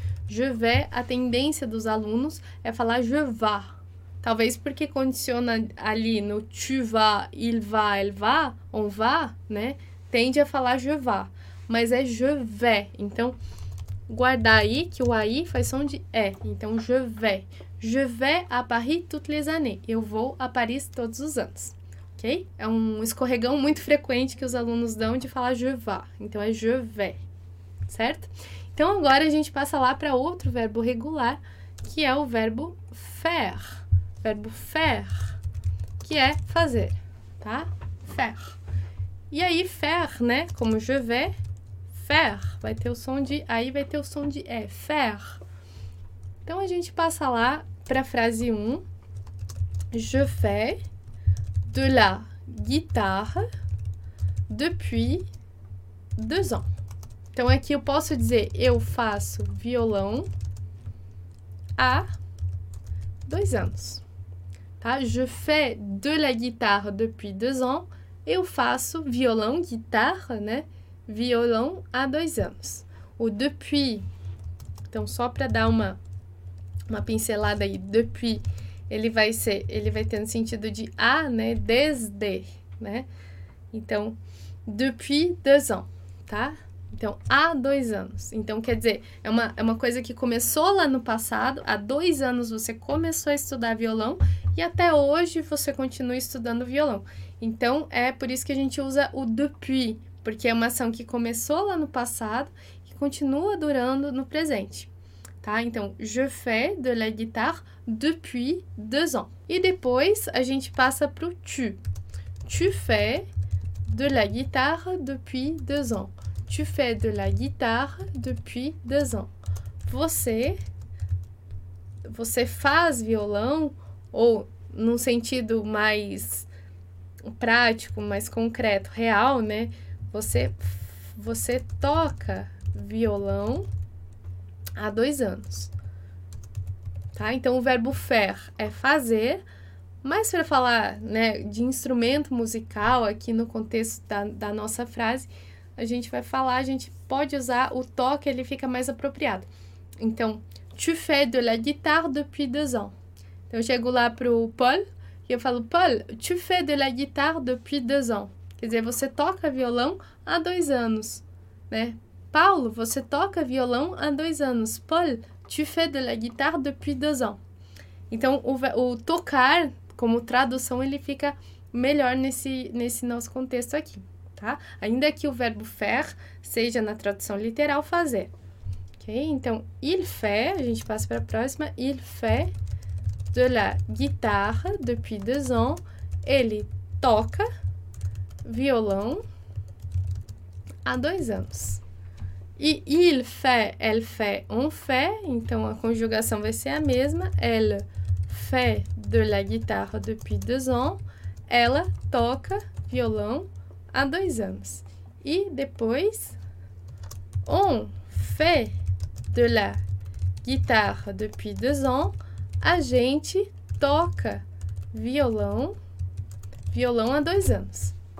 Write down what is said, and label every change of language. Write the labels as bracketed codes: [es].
[fr] Je vais, [pt] a tendência dos alunos é falar [fr] je vais. [pt] Talvez porque condiciona ali no [fr] tu vas, il va, elle va, on va, [pt] né? Tende a falar [fr] je vais. [pt] Mas é je vais. Então, guardar aí que o aí faz som de é. [fr] Então, je vais. Je vais à Paris toutes les années. [pt] Eu vou a Paris todos os anos. Ok? É um escorregão muito frequente que os alunos dão de falar [fr] je vais. [pt] Então, é je vais. Certo? Então, agora a gente passa lá para outro verbo regular, que é o verbo faire. Verbo faire, que é fazer, tá? Faire. E aí, faire, né? Como [fr] je vais, [pt] faire. Vai ter o som de. Aí vai ter o som de é, faire. Então, a gente passa lá para a frase 1. [fr] Je fais de la guitare depuis 2 ans. [pt] Então, aqui eu posso dizer eu faço violão há 2 anos. Tá? [fr] Je fais de la guitare depuis 2 ans. [pt] Eu faço violão, guitarra, né? Violão há 2 anos. O depuis, então só para dar uma pincelada aí, depuis, ele vai ter no sentido de há, né? Desde, né? Então, depuis 2 anos, tá? Então, há 2 anos. Então, quer dizer, é uma coisa que começou lá no passado. Há 2 anos você começou a estudar violão e até hoje você continua estudando violão. Então, é por isso que a gente usa o depuis, porque é uma ação que começou lá no passado e continua durando no presente. Tá? [fr] Então, je fais de la guitare depuis 2 ans. [pt] E depois a gente passa pro tu. [fr] Tu fais de la guitare depuis 2 ans. Tu fais de la guitare depuis 2 ans. [pt] Você faz violão, ou num sentido mais prático, mais concreto, real, né? Você toca violão há 2 anos. Tá? Então, o verbo faire é fazer, mas para falar, né, de instrumento musical, aqui no contexto da nossa frase, a gente vai falar, a gente pode usar o toque, ele fica mais apropriado. [fr] Então, tu fais de la guitare depuis 2 ans. [pt] Então, eu chego lá para o Paul e eu falo, Paul, [fr] tu fais de la guitare depuis 2 ans. [pt] Quer dizer, você toca violão há 2 anos, né? Paulo, você toca violão há 2 anos. [fr] Paul, tu fais de la guitare depuis 2 ans. [pt] Então, o tocar, como tradução, ele fica melhor nesse nosso contexto aqui. Tá? Ainda que o verbo faire seja na tradução literal fazer. Ok? Então, [fr] il fait, [pt] a gente passa para a próxima. [fr] Il fait de la guitare depuis 2 ans. [pt] Ele toca violão há 2 anos. [fr] E il fait, elle fait, on fait. [pt] Então, a conjugação vai ser a mesma. [fr] Elle fait de la guitare depuis 2 ans. [pt] Ela toca violão há 2 anos. [fr] E depois, on fait de la guitare depuis 2 ans. [pt] A gente toca violão há 2 anos.